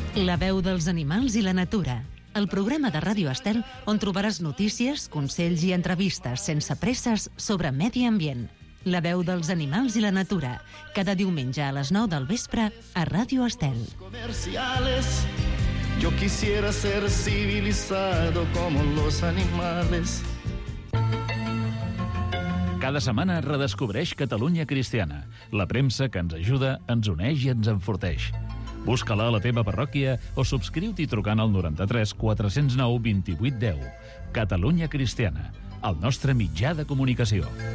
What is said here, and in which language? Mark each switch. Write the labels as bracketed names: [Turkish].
[Catalan] La veu dels animals i la natura. El programa de Ràdio Estel, on trobaràs notícies, consells i entrevistes sense presses sobre medi ambient. La veu dels animals i la natura. Cada diumenge a les 9 del vespre a Ràdio Estel. [Spanish] Comerciales. Yo quisiera ser civilizado como los animales. [Catalan] Cada setmana redescobreix Catalunya Cristiana, la premsa que ens ajuda, ens uneix i ens enforteix. Busca-la a la teva parròquia o subscriu-t'hi trucant al 93 409 28 10. Catalunya Cristiana, el nostre mitjà de comunicació.